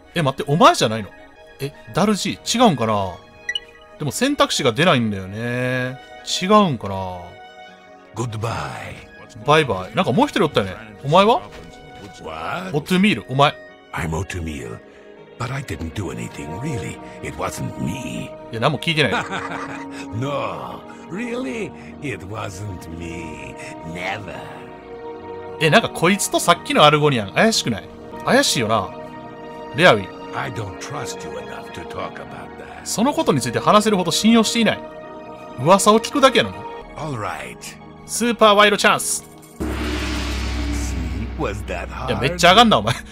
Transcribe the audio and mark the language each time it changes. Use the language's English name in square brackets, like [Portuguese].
[Japanese] え、待って、お前じゃないの？え、ダルジー、違うんかな？でも選択肢が出ないんだよね。違うんかな？ [English] Goodbye. [Japanese] バイバイ。なんかもう一人おったよね。お前は？ [English] What? [Japanese] オトゥミール、お前。 [English] I'm オトゥミール。 But I didn't do anything, really. It wasn't me. [Japanese] いや、何も聞いてない。 [English] No, really, it wasn't me. Never. [Japanese] え、なんかこいつとさっきのアルゴニアン、怪しくない？怪しいよな。レアウィ。 [English] I don't trust you enough to talk about that. [Japanese] そのことについて話せるほど信用していない。噂を聞くだけやのに。 [English] All right. [Japanese] スーパーワイルドチャンス。 [English] See, was that hard? [Japanese] いや、めっちゃ上がんな、お前。